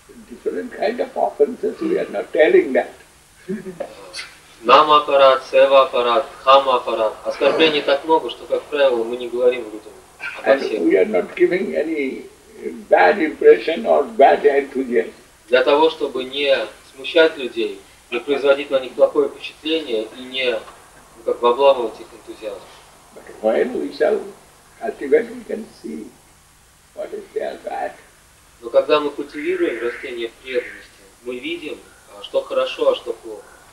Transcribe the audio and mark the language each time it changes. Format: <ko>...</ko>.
<en>Different kind of offenses, we are not telling that.</en> <ru>Нам-аппарат, сева-аппарат, хам-аппарат. Оскорблений так много, что, как правило, мы не говорим людям обо всем.</ru> <en>We are not giving any bad impression or bad enthusiasm.</en> <ru>Для того, чтобы не смущать людей, не производить на них плохое впечатление и не как бы обламывать их энтузиазм.</ru> <en>But when we shall cultivate, we can see what is there bad.</en> <ru>Но когда мы культивируем растения преданности, мы видим, что хорошо, а что плохо.</ru>